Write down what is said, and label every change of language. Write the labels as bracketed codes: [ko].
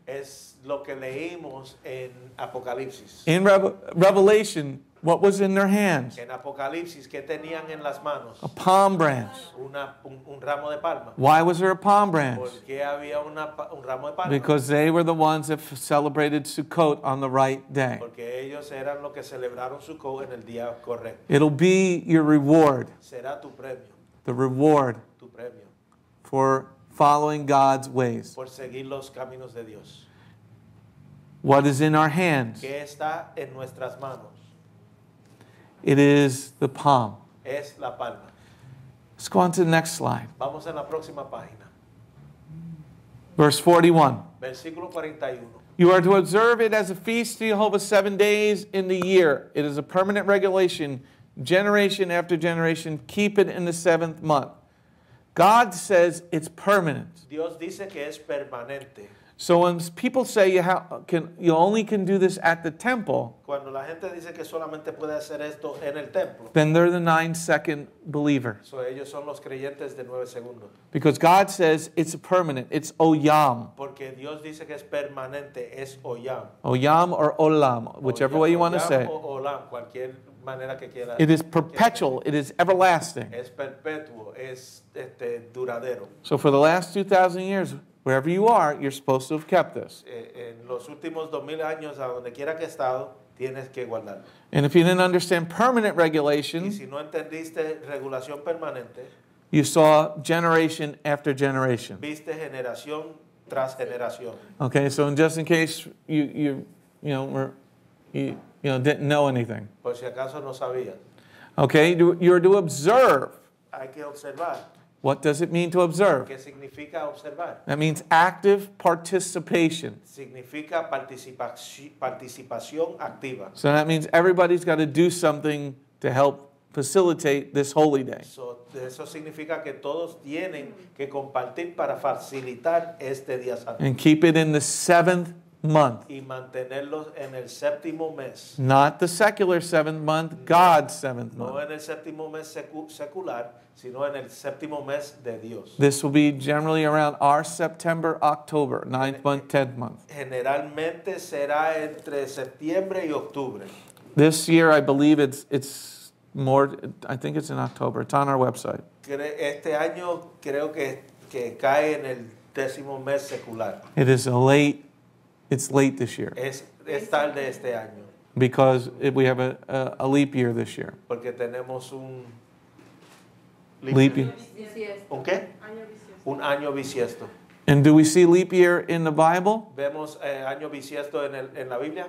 [es] Es lo que leímos en Apocalipsis. [en] In Revelation, what was in their hands? [es] En Apocalipsis, ¿qué tenían en las manos? [en] A palm branch. [es] Un ramo de palma. [en] Why was there a palm branch? [es] Porque había un ramo de palma. [en] Because they were the ones that celebrated Sukkot on the right day. [es] Porque ellos eran los que celebraron Sukkot en el día correcto. [en] It'll be your reward. [es] Será tu premio. [en] The reward. [es] Tu premio. [en] For following God's ways. [es] Por seguir los caminos de Dios. [en] What is in our hands? [es] ¿Qué está en nuestras manos? [en] It is the palm. [es] Es la palma. [en] Let's go on to the next slide. [es] Vamos a la próxima página. [en] Verse 41. [es] Versículo 41. [en] You are to observe it as a feast to Jehovah 7 days in the year. It is a permanent regulation. Generation after generation, keep it in the seventh month. God says it's permanent. [es] Dios dice que es permanente. [en] So when people say you only can do this at the temple, [es] cuando la gente dice que solamente puede hacer esto en el templo, [en] then they're the 9-second believer. [es] So ellos son los creyentes de 9 segundos. [en] Because God says it's permanent, it's oyam. [es] Porque Dios dice que es permanente, es oyam. [en] Oyam or olam, whichever way you want to say. [es] Oyam o olam, cualquier manera que quiera. [en] It is perpetual, it is everlasting. [es] Es perpetuo, es duradero. [en] So for the last 2,000 years, wherever you are, you're supposed to have kept this. [es] En los últimos 2000 años, a donde quiera que he estado, tienes que guardarlo. [en] And if you didn't understand permanent regulation, [es] y si no entendiste regulación permanente, [en] you saw generation after generation. [es] Viste generación tras generación. [en] Okay, so just in case didn't know anything. [es] Por si acaso no sabía. [en] Okay, you're to observe. [es] Hay que observar. [en] What does it mean to observe? [es] ¿Qué significa observar? [en] That means active participation. [es] Significa participación activa. [en] So that means everybody's got to do something to help facilitate this holy day. [es] So eso significa que todos tienen que compartir para facilitar este día santo. [en] And keep it in the seventh month. [es] Y mantenerlos en el séptimo mes. [en] Not the secular seventh month, God's seventh month. [es] No en el séptimo mes secular, sino en el séptimo mes de Dios. [en] This will be generally around our September, October, ninth month, tenth month. [es] Generalmente será entre septiembre y octubre. [en] This year, I believe it's in October. It's on our website. [es] Este año creo que cae en el décimo mes secular. [en] It is late this year. [es] Es tarde este año. [en] Because we have a leap year this year. [es] Porque tenemos un [en] leap year. [es] Okay? Un año bisiesto. [en] And do we see leap year in the Bible? [es] ¿Vemos año bisiesto en la Biblia?